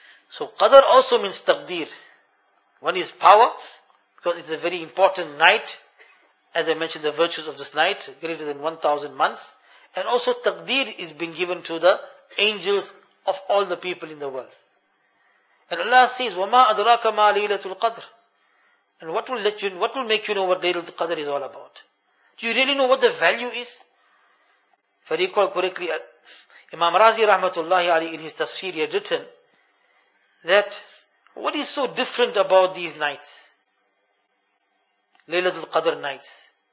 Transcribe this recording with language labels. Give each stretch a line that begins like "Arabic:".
English: So Qadr also means taqdeer. One is power, because it's a very important night. As I mentioned, the virtues of this night, greater than 1,000 months. And also taqdeer is being given to the angels of all the people in the world. And Allah says,
Arabic: وَمَا أَدْرَاكَ مَا لَيْلَةُ الْقَدْرِ.
English: And what will make you know what Laylatul Qadr is all about? Do you really know what the value is? If I recall correctly, Imam Razi rahmatullahi alayhi in his tafsir had written, that what is so different about these nights, Laylatul Qadr nights?